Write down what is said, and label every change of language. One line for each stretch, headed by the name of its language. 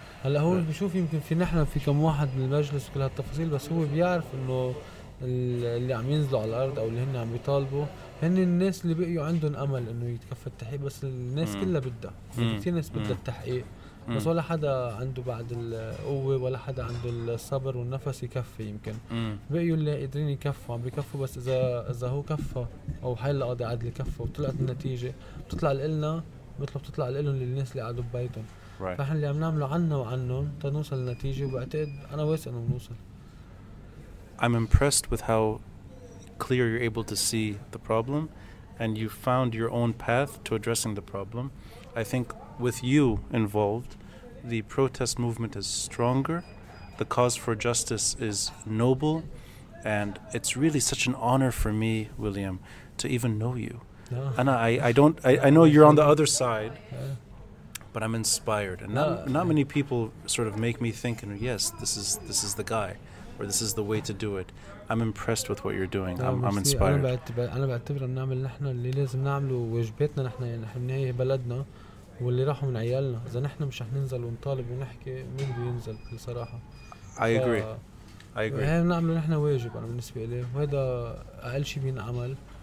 Arabic: هلا هو بيشوف يمكن في نحن في كم واحد من المجلس وكل هالتفاصيل بس هو بيعرف انه اللي عم ينزلوا على الارض او اللي هن عم بيطالبوا هن الناس اللي بقيوا عندهم امل انه يتكفى التحقيق بس الناس كلها بدها في كثير ناس بدها التحقيق بس ولا حدا عنده بعد القوه ولا حدا عنده الصبر والنفس يكفي يمكن بقيوا اللي قادرين يكفوا عم بيكفوا بس اذا هو كفى او حيلا قاضي عدل كفى وطلعت النتيجه بتطلع لنا مثل بتطلع لهم للناس اللي قاعدوا ببيتهم
English: Right.
Arabic: فاحنا اللي عم نعمله عنا وعنهم تنوصل النتيجة وبعتقد أنا واثق إنه بنوصل.
English: I'm impressed with how clear you're able to see the problem and you found your own path to addressing the problem. I think with you involved, the protest movement is stronger, the cause for justice is noble, and it's really such an honor for me, William, to even know you.
Arabic: أنا
English: I know you're on the other side. But I'm inspired, and not many people sort of make me think. And yes, this is the guy, or this is the way to do it. I'm impressed with what you're doing. I'm inspired.
Arabic: أنا بعتبر إن نعمل نحنا اللي لازم نعمله واجباتنا نحنا يعني إحنا هي بلدنا واللي راحوا من عيالنا. إذا نحنا مش هننزل ونطالب ونحكي مين بينزل بصراحة.
English: I agree.
Arabic: هاي نعمله نحنا واجب أنا بالنسبة لي وهذا أقل شيء بينعمل.